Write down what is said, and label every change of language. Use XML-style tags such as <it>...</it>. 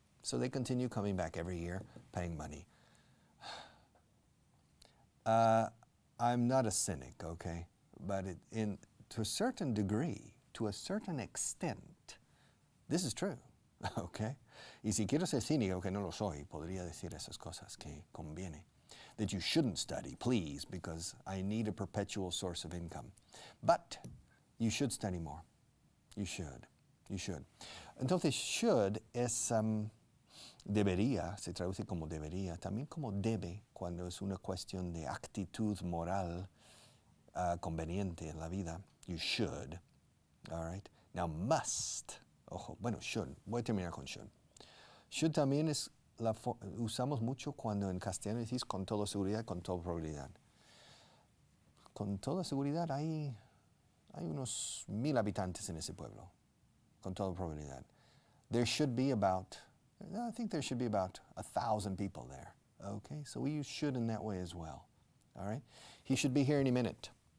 <en>So they continue coming back every year, paying money. I'm not a cynic, okay? But to a certain degree, to a certain extent, this is true, okay?</en> <es>Y si quiero ser cínico, que no lo soy, podría decir esas cosas que conviene.</es> <en>That you shouldn't study, please, because I need a perpetual source of income. But you should study more. You should. You should.</en> <es>Entonces, should es debería, se traduce como debería, también como debe, cuando es una cuestión de actitud moral conveniente en la vida.</es> <en>You should. All right. Now, must.</en> <es>Ojo, bueno, should. Voy a terminar con should. Should también es usamos mucho cuando en castellano decís con toda seguridad, con toda probabilidad. Con toda seguridad hay unos 1,000 habitantes en ese pueblo. Con toda probabilidad.</es> <en>There should be about, I think there should be about 1,000 people there. Okay, so we use should in that way as well. All right, he should be here any minute.</en>